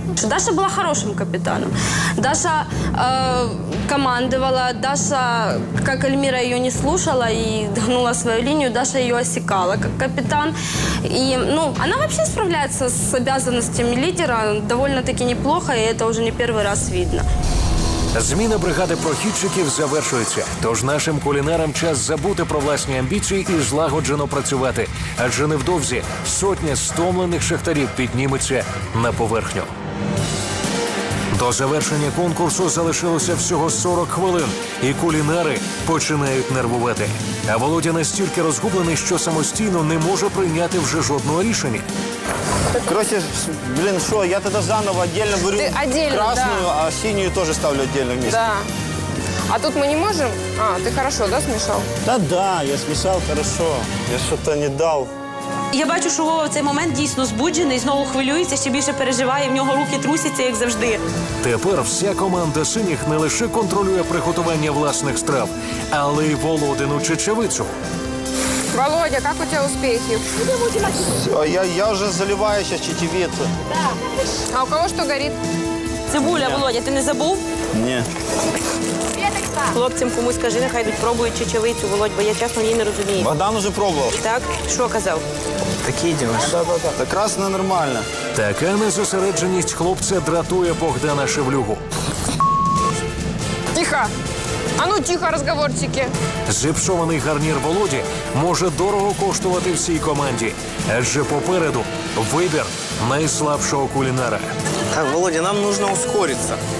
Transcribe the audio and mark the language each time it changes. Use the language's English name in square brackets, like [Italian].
[Russian] Даша была хорошим капитаном. Даша командовала, Даша, как Эльмира, ее не слушала и гнула свою линию, Даша ее осекала как капитан. И, ну, она вообще справляется с обязанностями лидера довольно-таки неплохо, и это уже не первый раз видно. [Ukrainian] Зміна бригади прохідчиків завершується, тож нашим кулінарам час забути про власні амбіції і злагоджено працювати, адже невдовзі 100 стомлених шахтарів підніметься на поверхню. До завершення конкурсу залишилося всього 40 хвилин, і кулінари починають нервувати. А Володя настільки розгублений, що самостійно не може прийняти вже жодного рішення. [Russian] Короче, блин, что, я тогда заново отдельно беру красную, да. А синюю тоже ставлю отдельно вместе. Да. А тут мы не можем? А, ты хорошо, да, смешал? Да-да, я смешал хорошо. Я что-то не дал. [Ukrainian] Я бачу, що Вова в цей момент дійсно збуджений, знову хвилюється, ще більше переживає, в нього руки трусяться, як завжди. Тепер вся команда синіх не лише контролює приготування власних страв, але й Володину чечевицю. [Russian] Володя, как у тебя успехи? Я уже заливаю сейчас чечевицу. А у кого что горит? Цибуля, Володя, ты не забыл? Нет. [Ukrainian] Хлопцям комусь скажи, нехай тут пробують чечевицю, Володь, бо я часто її не розумію. Богдан уже пробував. Так? Що казав? Такі діла. Так, красна нормальна. Така незосередженість хлопця дратує Богдана Шевлюгу. Тихо! [Russian] А ну тихо, разговорчики. [Ukrainian] Зіпсований гарнір Володі може дорого коштувати всій команді. Адже попереду вибір найслабшого кулінара. [Russian] Так, Володя, нам нужно ускориться.